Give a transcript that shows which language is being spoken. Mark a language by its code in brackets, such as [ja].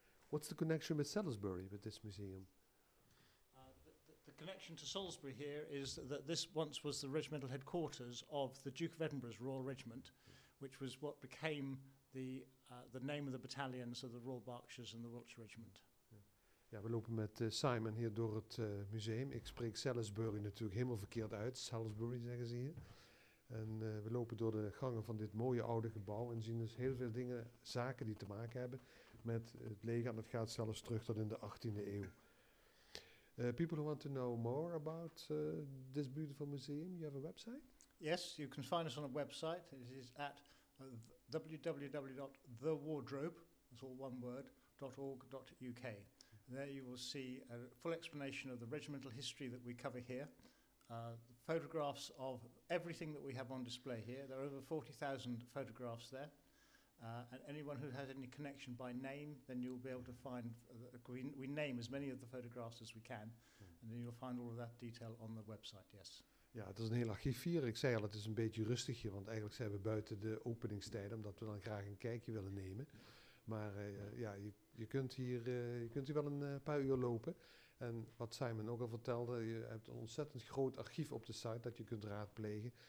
[en] What's the connection with Salisbury, with this museum? The connection to Salisbury here is that this once was the regimental headquarters of the Duke of Edinburgh's Royal Regiment, which was what became the name of the battalions of the Royal Berkshires and the Wiltshire Regiment. [nl] Ja, we lopen met Simon hier door het museum. Ik spreek Salisbury natuurlijk helemaal verkeerd uit. Salisbury, zeggen ze hier. En we lopen door de gangen van dit mooie oude gebouw en zien dus heel veel dingen, zaken die te maken hebben met het leger. En dat gaat zelfs terug tot in de 18e eeuw. [en] People who want to know more about this beautiful museum, you have a website? Yes, you can find us on a website. It is at www.thewardrobe.com. It's all one word, .org.uk. There you will see a full explanation of the regimental history that we cover here. Photographs of everything that we have on display here. There are over 40,000 photographs there. And anyone who has any connection by name, then you'll be able to find, we name as many of the photographs as we can. And then you'll find all of that detail on the website, yes. [nl] Ja, het is een heel archief hier. Ik zei al, het is een beetje rustig hier, want eigenlijk zijn we buiten de openingstijd, omdat we dan graag een kijkje willen nemen. Maar je kunt hier wel een paar uur lopen. En wat Simon ook al vertelde, je hebt een ontzettend groot archief op de site dat je kunt raadplegen.